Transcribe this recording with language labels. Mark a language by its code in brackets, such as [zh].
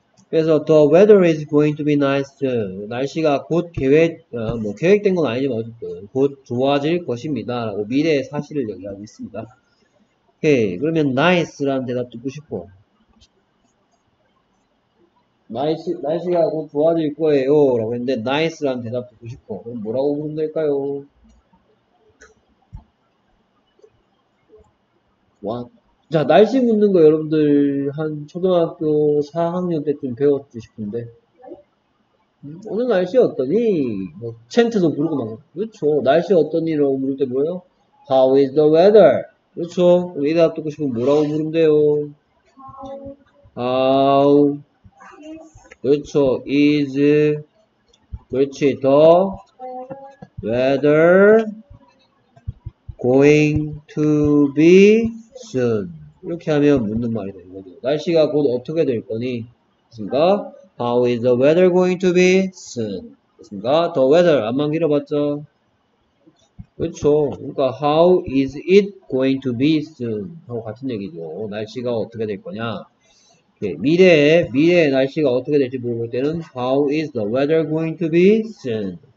[ko] 그래서 [en] the weather is going to be nice. [ko] 날씨가 곧 계획된 건 아니지만 어쨌든 곧 좋아질 것입니다 라고 미래의 사실을 얘기하고 있습니다. 오케이. 그러면 nice 라는 대답 듣고 싶어. 날씨가 곧 좋아질 거예요 라고 했는데 nice라는 대답 듣고 싶어. 그럼 뭐라고 부르면 될까요? [en] what? [ko] 자, 날씨 묻는 거 여러분들 한 초등학교 4학년 때쯤 배웠지 싶은데 오늘 날씨 어떠니? 뭐 챈트도 부르고 막 그렇죠. 날씨 어떠니? 라고 부를 때 뭐예요? [en] how is the weather? [ko] 그렇죠. 이 대답 듣고 싶으면 뭐라고 부르면 돼요? how 그렇죠. is, 그렇지. [en] the weather going to be soon. [ko] 이렇게 하면 묻는 말이 되는 거죠. 날씨가 곧 어떻게 될 거니? 됐습니까? [en] How is the weather going to be soon? [ko] 됐습니까? The weather. 암만 길어봤죠? 그렇죠. 그러니까, [en] how is it going to be soon? [ko] 하고 같은 얘기죠. 날씨가 어떻게 될 거냐? 예, 미래의 날씨가 어떻게 될지 물어볼 때는 [en] How is the weather going to be soon?